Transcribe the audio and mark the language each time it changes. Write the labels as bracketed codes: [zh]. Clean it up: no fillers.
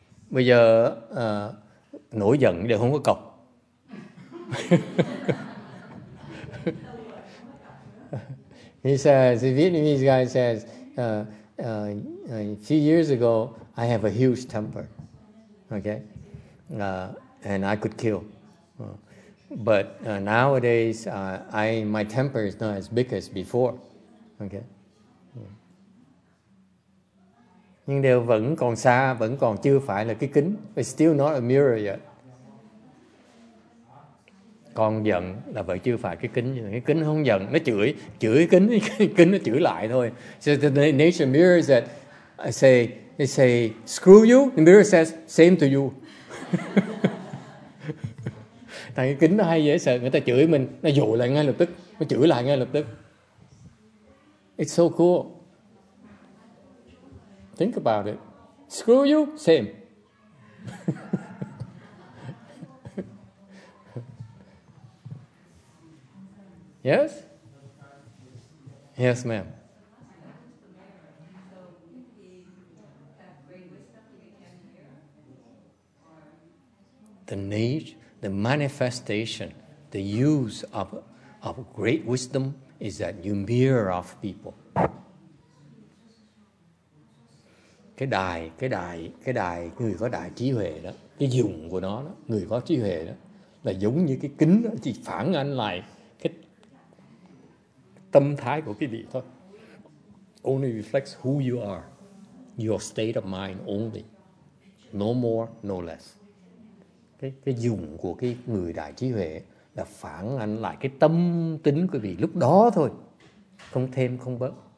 [vi] Bây giờ nổi giận đều không có cọc. [en] He says, the Vietnamese guy says, a few years ago, I have a huge temper, okay, and I could kill. But nowadays, my temper is not as big as before, okay. [vi] Nhưng đều vẫn còn xa, vẫn còn chưa phải là cái kính. [en] It's still not a mirror yet. [vi] Con giận là vẫn chưa phải cái kính. Cái kính không giận, nó chửi kính, cái kính nó chửi lại thôi. [en] So the nature mirror is that they say screw you, the mirror says same to you. [vi] Tại cái kính nó hay dễ sợ, người ta chửi mình nó dụ lại ngay lập tức, nó chửi lại ngay lập tức. [en] It's so cool. Think about it. Screw you, same. Yes? Yes, ma'am. The nature, the manifestation, the use of great wisdom is that you mirror off people. [vi] Cái đài, người có đài trí huệ đó, cái dùng của nó đó, người có trí huệ đó, là giống như cái kính đó, chỉ phản ánh lại tâm thái của cái vị thôi. [en] Only reflects who you are, your state of mind only, no more, no less. [vi] Cái dùng của cái người đại trí huệ là phản ánh lại cái tâm tính của vị lúc đó thôi, không thêm không bớt.